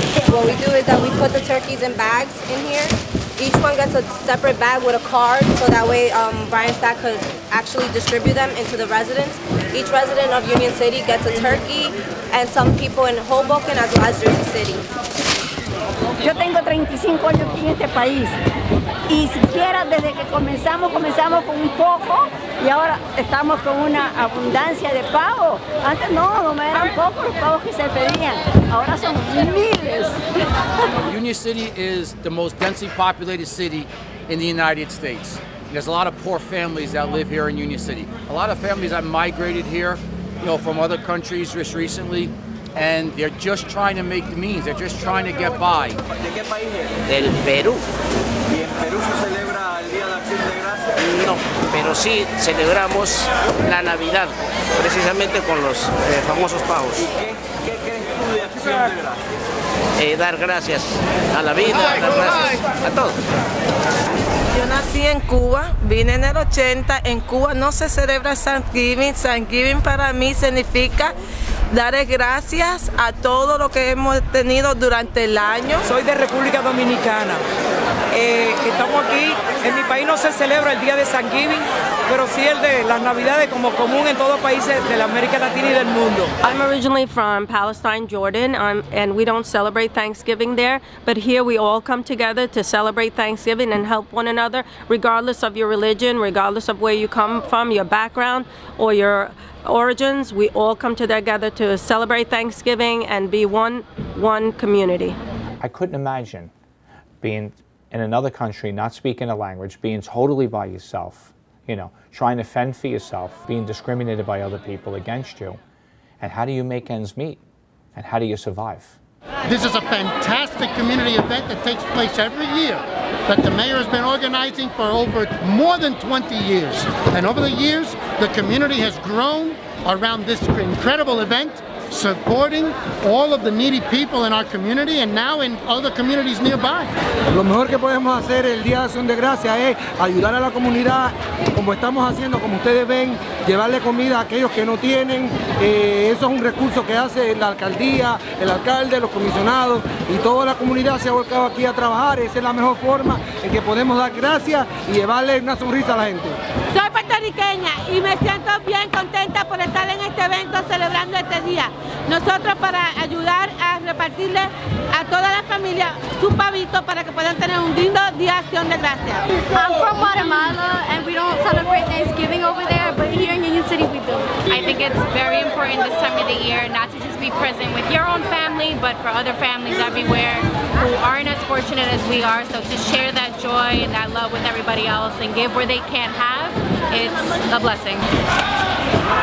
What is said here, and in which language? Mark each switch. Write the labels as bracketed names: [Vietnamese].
[English] What we do is that we put the turkeys in bags in here. Each one gets a separate bag with a card, so that way Brian Stack could actually distribute them into the residents. Each resident of Union City gets a turkey, and some people in Hoboken as well as Jersey City. [Spanish] Okay. Yo tengo 35 años aquí en este país. Y siquiera desde que comenzamos con un poco y ahora estamos con una abundancia de pavos. Antes no, nomás eran pocos los pavos que se pedían. Ahora son miles. [English] Union City is the most densely populated city in the United States. There's a lot of poor families that live here in Union City. A lot of families have migrated here, you know, from other countries just recently, and they're just trying to make the means. They're just trying to get by. [Spanish] ¿De qué país es? Del Perú. ¿Y en Perú se celebra el Día de Acción de Gracias? No, pero sí celebramos la Navidad, precisamente con los famosos pavos. ¿Y qué crees tú de Acción de Gracias? Dar gracias a la vida, dar gracias a todos. Yo nací en Cuba, vine en el 80, en Cuba no se celebra Thanksgiving. Thanksgiving para mí significa dar gracias a todo lo que hemos tenido durante el año. Soy de República Dominicana, estamos aquí, en mi país no se celebra el día de Thanksgiving, pero sí el de las Navidades como común en todos los países de la América Latina y del mundo. [English] I'm originally from Palestine, Jordan, and we don't celebrate Thanksgiving there, but here we all come together to celebrate Thanksgiving and help one another, regardless of your religion, regardless of where you come from, your background, or your origins. We all come together to celebrate Thanksgiving and be one community. I couldn't imagine being in another country, not speaking a language, being totally by yourself, you know, trying to fend for yourself, being discriminated by other people against you. And how do you make ends meet? And how do you survive? This is a fantastic community event that takes place every year that the mayor has been organizing for over more than 20 years. And over the years, the community has grown around this incredible event, supporting all of the needy people in our community and now in other communities nearby. [Spanish] Lo mejor que podemos hacer el Día de Acción de Gracias es ayudar a la comunidad como estamos haciendo, como ustedes ven, llevarle comida a aquellos que no tienen. Eso es un recurso que hace la alcaldía, el alcalde, los comisionados y toda la comunidad se ha volcado aquí a trabajar. Esa es la mejor forma en que podemos dar gracias y llevarle una sonrisa a la gente. Soy puertorriqueña y me siento bien contenta por estar en este evento celebrando este día. Nosotros para ayudar a repartirle a toda la familia su pavito para que puedan tener un lindo día Acción de Gracias. [English] I'm from Guatemala and we don't celebrate Thanksgiving over there, but here in Union City we do. I think it's very important this time of the year not to just be present with your own family, but for other families everywhere who aren't as fortunate as we are. So to share that joy and that love with everybody else and give where they can't have, it's a blessing.